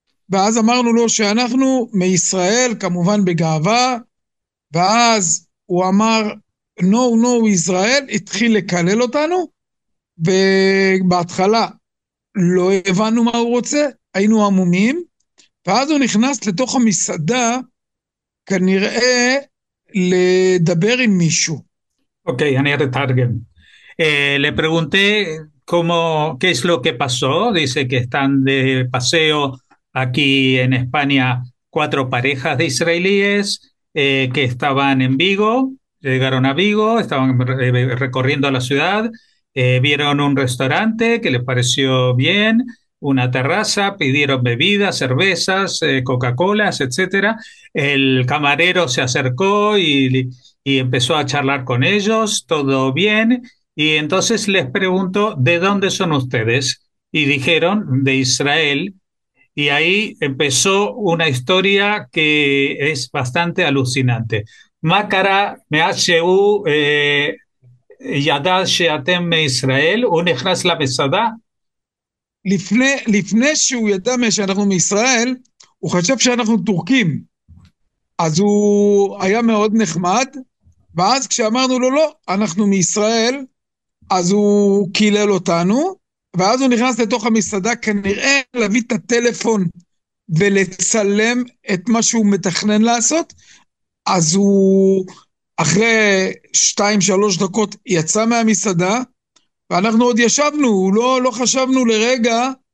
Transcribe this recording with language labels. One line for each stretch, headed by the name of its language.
Hebrew: ואז אמרנו לו שאנחנו מישראל, כמובן בגאווה, ואז הוא אמר, No, ישראל, התחיל לקלל אותנו, ובהתחלה לא הבנו מה הוא רוצה, היינו עמומים, ואז הוא נכנס לתוך המסעדה, כנראה לדבר עם מישהו. Okay, אני אתרגם.
Spanish: Le pregunté cómo, qué es lo que pasó, dice que están de paseo aquí en España 4 parejas de israelíes que estaban en Vigo. Llegaron a Vigo, estaban recorriendo la ciudad, vieron un restaurante que les pareció bien, una terraza, pidieron bebidas, cervezas, Coca-Colas, etc. El camarero se acercó y empezó a charlar con ellos, todo bien, y entonces les preguntó, ¿de dónde son ustedes? Y dijeron, de Israel, y ahí empezó una historia que es bastante alucinante.
Hebrew: מקרה מאז שהוא ידע שאתם מישראל, הוא נכנס למסעדה? לפני שהוא ידע שאנחנו מישראל, הוא חשב שאנחנו טורקים. אז הוא היה מאוד נחמד, ואז כשאמרנו לו לא, אנחנו מישראל, אז הוא קילל אותנו, ואז הוא נכנס לתוך המסעדה כנראה להביא את הטלפון ולצלם את מה שהוא מתכנן לעשות, אז הוא אחרי 2-3 דקות יצא מהמסעדה, ואנחנו עוד ישבנו, לא חשבנו לרגע.